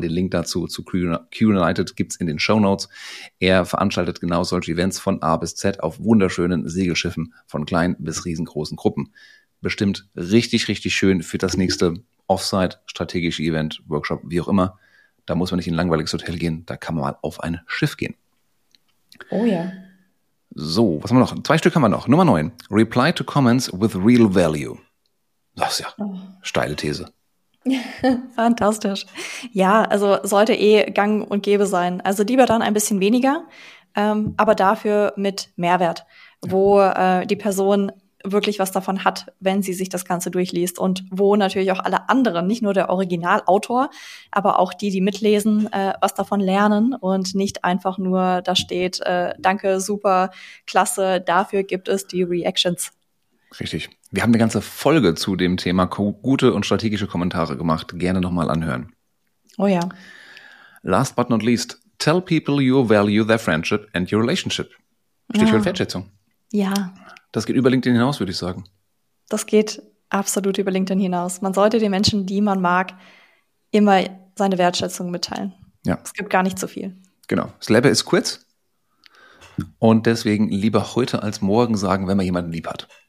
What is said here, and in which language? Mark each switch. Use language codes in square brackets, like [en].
[de] Den Link dazu zu Q-United gibt es in den Shownotes. Er veranstaltet genau solche Events von A bis Z auf wunderschönen Segelschiffen von kleinen bis riesengroßen Gruppen. Bestimmt richtig, richtig schön für das nächste Offsite, strategische Event, Workshop, wie auch immer. Da muss man nicht in ein langweiliges Hotel gehen, da kann man mal auf ein Schiff gehen. Oh ja. So, was haben wir noch? Zwei Stück haben wir noch. Nummer 9. [en] Reply to comments with real value. [de] Das ist ja steile These. Fantastisch. Ja, also sollte eh gang und gäbe sein. Also lieber dann ein bisschen weniger, aber dafür mit Mehrwert, wo die Person wirklich was davon hat, wenn sie sich das Ganze durchliest und wo natürlich auch alle anderen, nicht nur der Originalautor, aber auch die, die mitlesen, was davon lernen und nicht einfach nur da steht, danke, super, klasse, dafür gibt es die Reactions. Richtig. Wir haben eine ganze Folge zu dem Thema gute und strategische Kommentare gemacht. Gerne nochmal anhören. Oh ja. [en] Last but not least, tell people you value their friendship and your relationship. [de] Stichwort ja. Wertschätzung. Ja. Das geht über LinkedIn hinaus, würde ich sagen. Das geht absolut über LinkedIn hinaus. Man sollte den Menschen, die man mag, immer seine Wertschätzung mitteilen. Ja. Es gibt gar nicht so viel. Genau. Das Leben ist kurz. Und deswegen lieber heute als morgen sagen, wenn man jemanden lieb hat.